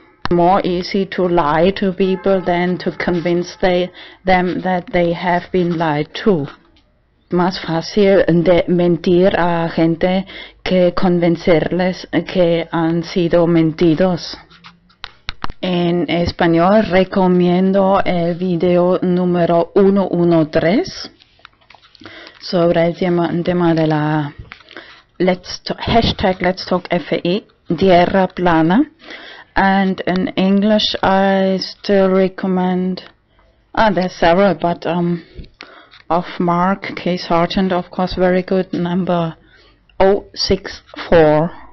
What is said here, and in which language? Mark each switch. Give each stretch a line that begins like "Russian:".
English: More easy to lie to people than to convince them that they have been lied to.
Spanish: Más fácil de mentir a gente que convencerles que han sido mentidos. En español recomiendo el video número 113 sobre el tema de la hashtag #LetsTalkFE Tierra Plana.
English: And in English, I still recommend, there's several, but of Mark, Case Hartend, of course, very good, number 064.